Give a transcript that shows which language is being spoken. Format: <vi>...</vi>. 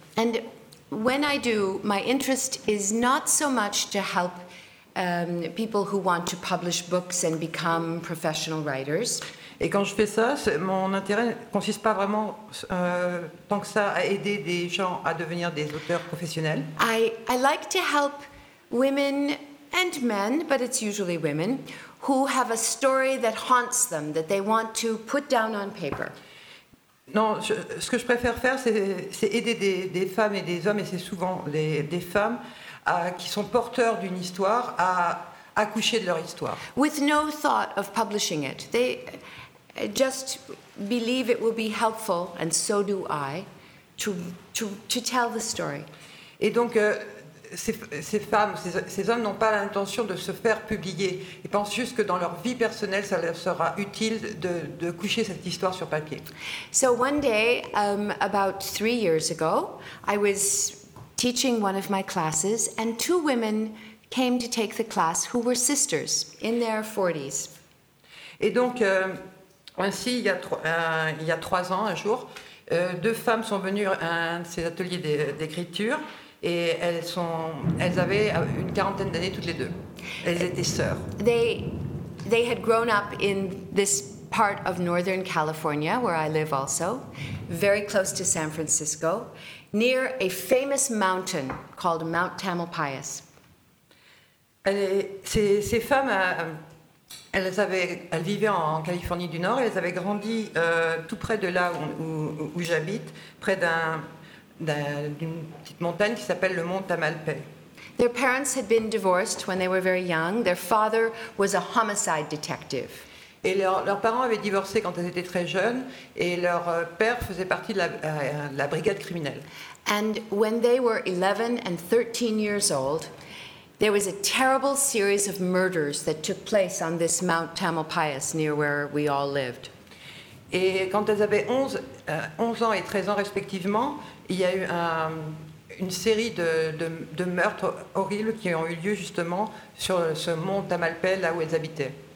<en>And when I do, my interest is not so much to help people who want to publish books and become professional writers.</en> <fr>Et quand je fais ça, mon intérêt consiste pas vraiment tant que ça à aider des gens à devenir des auteurs professionnels.</fr> <en>I like to help women and men, but it's usually women, who have a story that haunts them, that they want to put down on paper.</en> <fr>Non, ce que je préfère faire, c'est aider des femmes et des hommes, et c'est souvent des femmes, qui sont porteurs d'une histoire, à accoucher de leur histoire.</fr> <en>With no thought of publishing it. They just believe it will be helpful, and so do I, to tell the story.</en> <fr>Et donc, ces femmes, ces hommes n'ont pas l'intention de se faire publier. Ils pensent juste que dans leur vie personnelle, ça leur sera utile de coucher cette histoire sur papier.</fr> <en>So one day, about 3 years ago, I was teaching one of my classes, and two women came to take the class who were sisters in their 40s.</en> <fr>Et donc, ainsi, il y a trois ans, un jour, deux femmes sont venues à un de ces ateliers d'écriture. Et elles avaient une quarantaine d'années toutes les deux. Elles étaient sœurs.</fr> <en>They had grown up in this part of Northern California, where I live also, very close to San Francisco, near a famous mountain called Mount Tamalpais.</en> <fr>Ces femmes, elles vivaient en Californie du Nord, et elles avaient grandi tout près de là où j'habite, près d'une petite montagne qui s'appelle le Mont Tamalpais.</fr> <en>Their parents had been divorced when they were very young. Their father was a homicide detective.</en> <fr>Et leurs parents avaient divorcé quand elles étaient très jeunes, et leur père faisait partie de la brigade criminelle.</fr> <en>And when they were 11 and 13 years old, there was a terrible series of murders that took place on this Mount Tamalpais near where we all lived.</en> <fr>Et quand elles avaient 11 ans et 13 ans respectivement, il y a eu une série de meurtres horribles qui ont eu lieu justement sur ce mont Tamalpais, là où elles habitaient.</fr>